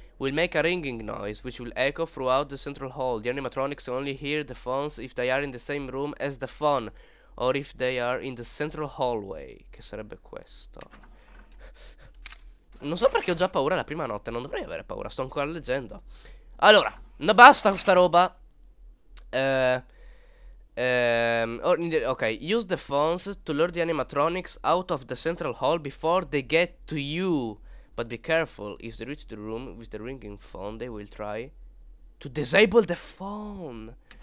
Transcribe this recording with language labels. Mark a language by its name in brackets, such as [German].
[English] Will make a ringing noise, which will echo throughout the central hall. The animatronics only hear the phones if they are in the same room as the phone. Or if they are in the central hallway. [Italian] Che sarebbe questo? Non so perché ho già paura la prima notte, non dovrei avere paura, sto ancora leggendo. Allora, no, basta questa roba. [English] Ok, use the phones to lure the animatronics out of the central hall before they get to you. But be careful, if they reach the room with the ringing phone, they will try to disable the phone.